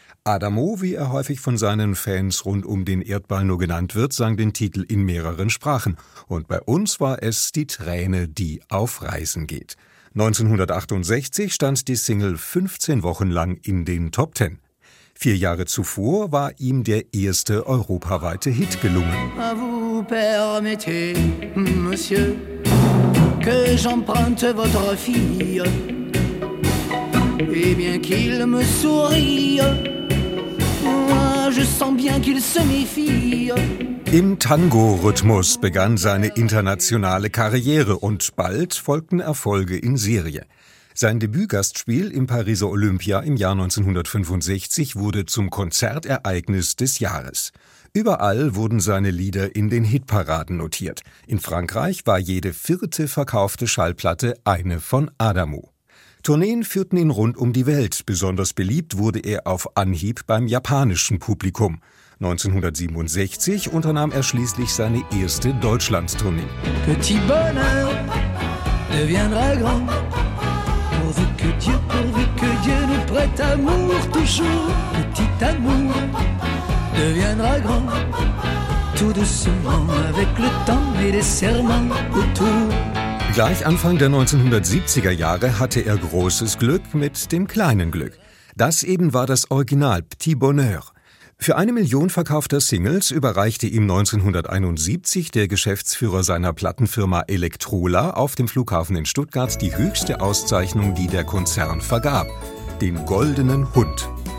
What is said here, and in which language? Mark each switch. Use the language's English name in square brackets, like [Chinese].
[German] Adamo, wie er häufig von seinen Fans rund um den Erdball nur genannt wird, sang den Titel in mehreren Sprachen. Und bei uns war es die Träne, die auf Reisen geht. 1968 stand die Single 15 Wochen lang in den Top 10. 4 Jahre zuvor war ihm der erste europaweite Hit gelungen. [French] Vous permettez, monsieur, que j'emprunte votre fille. Et bien qu'il me sourie, moi je sens bien qu'il se méfie. [German] Im Tango-Rhythmus begann seine internationale Karriere und bald folgten Erfolge in Serie. Sein Debütgastspiel im Pariser Olympia im Jahr 1965 wurde zum Konzertereignis des Jahres. Überall wurden seine Lieder in den Hitparaden notiert. In Frankreich war jede 4. verkaufte Schallplatte eine von Adamo. Tourneen führten ihn rund um die Welt. Besonders beliebt wurde er auf Anhieb beim japanischen Publikum. 1967 unternahm er schließlich seine erste Deutschlandtournee. [French] Petit bonheur deviendra grand. Pourvu que Dieu, pourvu que Dieu nous prête amour toujours. Petit amour deviendra grand. Tout doucement avec le temps et les serments autour. [German] Gleich Anfang der 1970er Jahre hatte er großes Glück mit dem kleinen Glück. Das eben war das Original Petit Bonheur. Für 1 Million verkaufter Singles überreichte ihm 1971 der Geschäftsführer seiner Plattenfirma Elektrola auf dem Flughafen in Stuttgart die höchste Auszeichnung, die der Konzern vergab, den Goldenen Hund.